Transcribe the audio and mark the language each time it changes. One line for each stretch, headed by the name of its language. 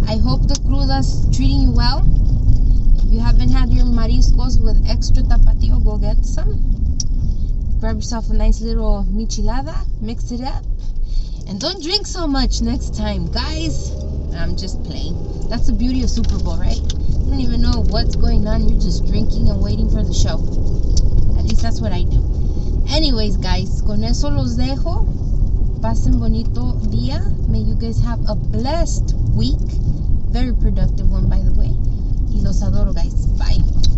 English: I hope the cruda's treating you well. If you haven't had your mariscos with extra tapatio, go get some. Grab yourself a nice little michelada. Mix it up. And don't drink so much next time, guys. I'm just playing. That's the beauty of Super Bowl, right? You don't even know what's going on. You're just drinking and waiting for the show. At least that's what I do. Anyways, guys,
Spanish: con eso los dejo. Pasen bonito día.
English: May you guys have a blessed week. Very productive one, by the way.
Spanish: Y los adoro,
English: guys. Bye.